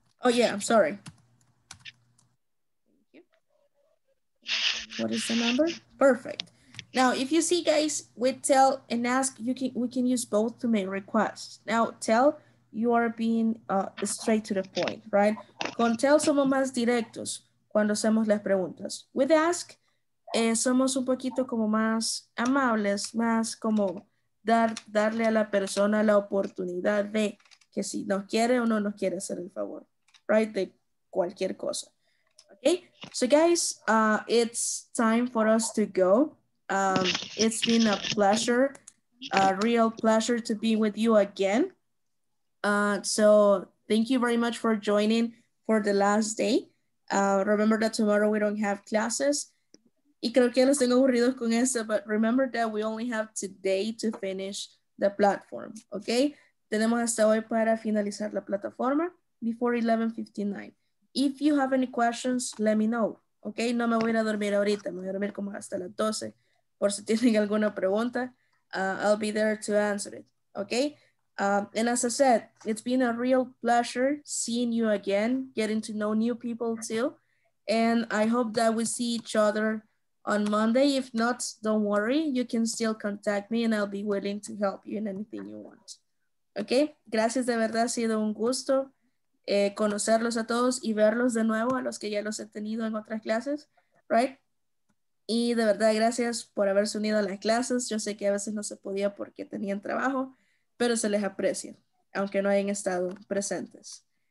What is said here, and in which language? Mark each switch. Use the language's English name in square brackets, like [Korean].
[English] Oh yeah, I'm sorry. Thank you. What is the number? Perfect. Now, if you see guys, with tell and ask, we can use both to make requests. Now, tell, you are being straight to the point, right? [Spanish] Con tell somos más directos cuando hacemos las preguntas. [English] With ask, [Spanish] somos un poquito como más amables, más como darle a la persona la oportunidad de que si nos quiere o no nos quiere hacer el favor, right, de cualquier cosa. [English] Okay, so guys, it's time for us to go. It's been a pleasure, a real pleasure to be with you again. So thank you very much for joining for the last day. Remember that tomorrow we don't have classes. [Spanish] Y creo que los tengo aburridos con eso, [English] but remember that we only have today to finish the platform, okay? [Spanish] Tenemos hasta hoy para finalizar la plataforma [English] before 11:59. If you have any questions, let me know. [Spanish] Ok, no me voy a dormir ahorita, me voy a dormir como hasta las 12. Por si tienen alguna pregunta, [English] I'll be there to answer it. Ok, and as I said, it's been a real pleasure seeing you again, getting to know new people too. And I hope that we see each other on Monday. If not, don't worry, you can still contact me and I'll be willing to help you in anything you want. [Spanish] Ok, gracias, de verdad ha sido un gusto. Conocerlos a todos y verlos de nuevo a los que ya los he tenido en otras clases, right? Y de verdad, gracias por haberse unido a las clases. Yo sé que a veces no se podía porque tenían trabajo, pero se les aprecia, aunque no hayan estado presentes.